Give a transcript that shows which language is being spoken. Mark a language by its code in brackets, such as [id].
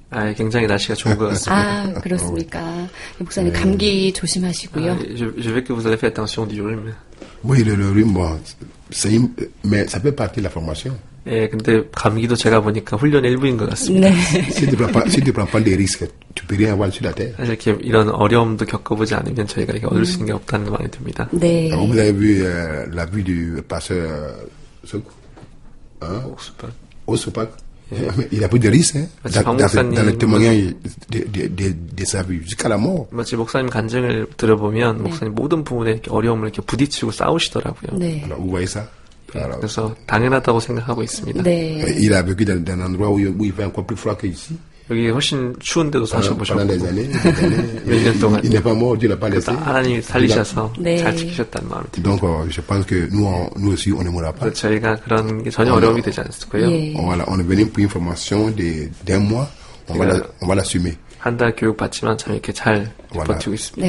[ko] 아, 굉장히 날씨가 좋은 것 같습니다. 아, 그렇습니까? 목사님, 감기 조심하시고요. 아, [fr] je veux que vous allez faire attention du rhume. Oui, le rhume, bon, c'est, mais ça fait partie de la formation. [ko] 예, 근데 감기도 제가 보니까 훈련 일부인 것 같습니다. 네. [fr] Si tu prends pas des risques, tu peux rien avoir sur la terre. [ko] 사실 이렇게 이런 어려움도 겪어보지 않으면 저희가 이렇게 얻을 수 있는 게 없다는 말이 듭니다. 네. [fr] Vous avez vu la vue du pasteur Soko? Au Sopak? Il a pris des risques, dans le témoignage de sa vie jusqu'à la mort. [ko] 마치 목사님 간증을 들어보면 목사님 모든 부분에 이렇게 어려움을 이렇게 부딪히고 싸우시더라고요. 네. 그래서 당연하다고 생각하고 있습니다. 네. [fr] Il a vécu dans un endroit où il fait encore plus froid que ici. [ko] 여기 훨씬 추운데도 사셔보셨고. [fr] Pendant des années, [ko] mais 몇 동안. [fr] Il n'est pas mort, Dieu l'a pas laissé. [ko] 하나님 살리셔서 잘 지키셨다는 마음이 듭니다. [fr] Donc, je pense que nous aussi, on ne mourra pas. [ko] 저희가 그런 게 전혀 어려움이 되지 않았을 거예요. [fr] Voilà, on est venu pour une formation d'un mois. On va l'assumer. [ko] 한 달 교육받지만 참 이렇게 잘 버티고 있습니다.